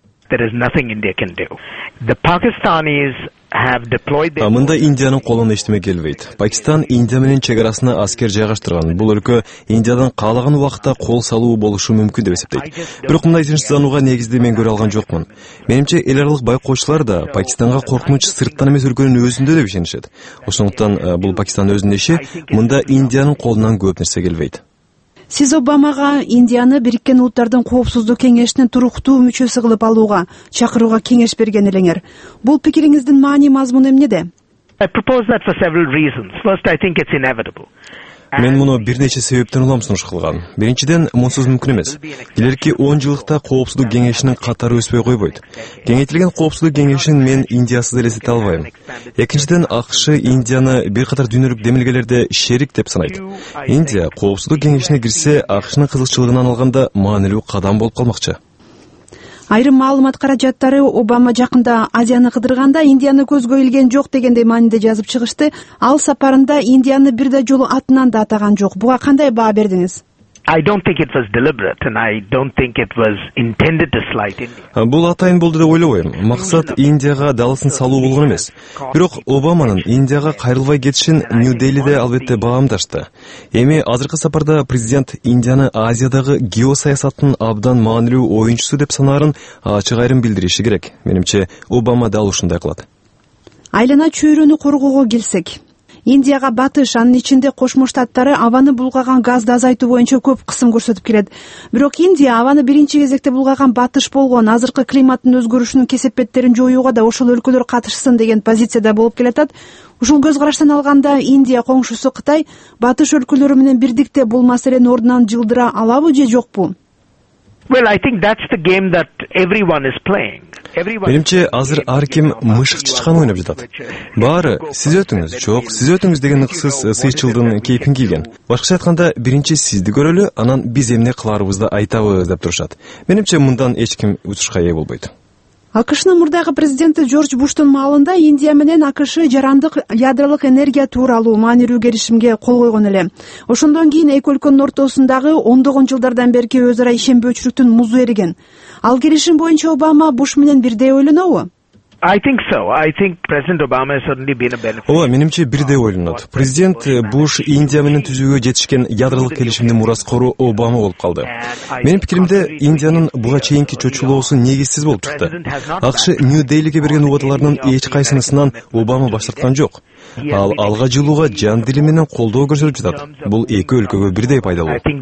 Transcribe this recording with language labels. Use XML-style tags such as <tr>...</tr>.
<en>There is nothing India can do. The Pakistanis have deployed their</en> <ky>Аманда Индиянын колуна эчтеме келбейт. Пакистан Индия менен чек арасына аскер жайгаштырган. Бул өлкө Индиядан каалаган убакта кол салуу болушу мүмкүн деп эсептейт. Бирок мындай ишенич заанууга негизде мен көрө алган жокмун. Менимче эл аралык байкоочулар да Пакистанга коркунуч сырттан эмес өлкөнүн өзүндө деп ишенишет. Ошондуктан бул Пакистан өзүнүн иши, мында Индиянын колунан көп нерсе келбейт. Сиз Обамага Индияны Бириккен Улуттардын Коопсуздук Кеңешинин туруктуу мүчөсү кылып алууга чакырууга кеңеш берген элеңер. Бул пикириңиздин маани мазмуну эмнеде?</ky> <en>I propose that for several reasons. First, I think it's inevitable.</en> <ky>Мен муну бир нече себептен улам сунуш кылган. Биринчиден, мунсуз мүмкүн эмес. Келерки 10 жылдыкта Коопсуздук Кеңешинин катары өспөй койбойт. Кеңейтилген Коопсуздук Кеңешин мен Индиясыз элестете албайм. Экинчиден, АКШ Индияны бир катар дүйнөлүк демилгелерде шерик деп санайт. Индия Коопсуздук Кеңешине кирсе, АКШнын кызыкчылыгынан алганда маанилүү кадам болуп калмакчы. Айрым маалымат каражаттары Обама жакында Азияны кыдырганда Индияны көзгө илген жок дегендей мааниде жазып чыгышты. Ал сапарында Индияны бир да жолу атынан да атаган жок. Буга кандай баа бердиңиз?</ky> <en>I don't think it was deliberate and I don't think it was intended to slight India.</en> <ky>Бул атайын болду деп ойлобойм. Максат Индияга далысын салуу болгон эмес. Бирок Обаманын Индияга кайрылбай кетишин Нью-Делиде албетте баамдашты. Эми азыркы сапарда президент Индияны Азиядагы геосаясаттын абдан маанилүү оюнчусу деп санаарын ачык айрым билдириши керек. Менимче Обама дал ушундай кылат. Айлана чөйрөнү коргоого келсек, Индияга батыш, анын ичинде Кошмо Штаттары абаны булгаган газды азайтуу боюнча көп кысым көрсөтүп келет. Бирок Индия абаны биринчи кезекте булгаган батыш болгон, азыркы климаттын өзгөрүшүнүн кесепеттерин жоюуга да ошол өлкөлөр катышсын деген позицияда болуп келатат. Ушул көз караштан алганда Индия коңшусу Кытай батыш өлкөлөрү менен бирдикте бул маселени ордунан жылдыра алабы же жокпу?</ky> <en>Well, I think that's the game that everyone is playing.</en> <ky>Менимче азыр ар ким мышык чычканы ойноп жатат. Баары сиз өтүңүз, жок, сиз өтүңүз деген ыксыз сыйчылдын кейпин кийген. Башкача айтканда, биринчи сизди көрөлү, анан биз эмне кыларыбызды айтабыз деп турушат. Менимче мындан эч ким утушка ээ болбойт. АКШнын мурдагы президенти Джордж Буштун маалында Индия менен АКШ жарандык ядролук энергия тууралуу маанилүү келишимге кол койгон эле. Ошондон кийин эки өлкөнүн ортосундагы ондогон жылдардан берки өз ара ишенбөөчүлүктүн музу эриген. Ал келишим боюнча Обама Буш менен бирдей ойлонобу?</ky> <en>I think so. I think President Obama has certainly been a beneficiary.</en> <ky>Ооба, менимче бирдей ойлонот. Президент Буш Индия менен түзүүгө жетишкен ядролук келишимдин мураскору Обама болуп калды. Менин пикиримде Индиянын буга чейинки чочулуусу негизсиз болуп чыкты. АКШ Нью-Делиге берген убадаларынын эч кайсынысынан Обама баш тарткан жок. Ал алга жылууга жан дили менен колдоо көрсөтүп жатат. Бул эки өлкөгө бирдей пайдалуу.</ky>